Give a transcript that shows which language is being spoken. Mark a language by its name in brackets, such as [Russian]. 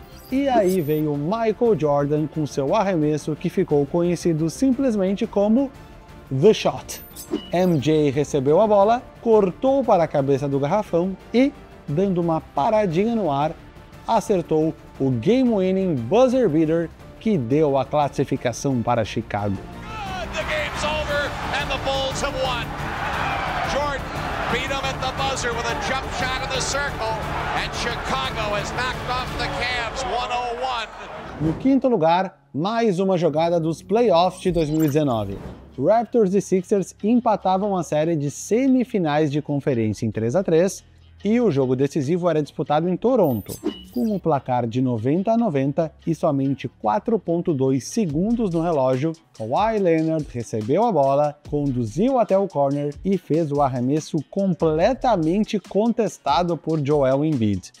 [Portuguese] E aí veio Michael Jordan com seu arremesso que ficou conhecido simplesmente como The Shot. MJ recebeu a bola, cortou para a cabeça do garrafão e, dando uma paradinha no ar, acertou o game-winning buzzer beater que deu a classificação para Chicago. [English] The game's over and the Bulls have won. Jordan beat him at the buzzer with a jump shot in the circle and Chicago has knocked off the Cavs 101. [Portuguese] No quinto lugar, mais uma jogada dos playoffs de 2019. Raptors e Sixers empatavam a série de semifinais de conferência em 3-3 e o jogo decisivo era disputado em Toronto. Com o placar de 90-90 e somente 4.2 segundos no relógio, Kawhi Leonard recebeu a bola, conduziu até o corner e fez o arremesso completamente contestado por Joel Embiid.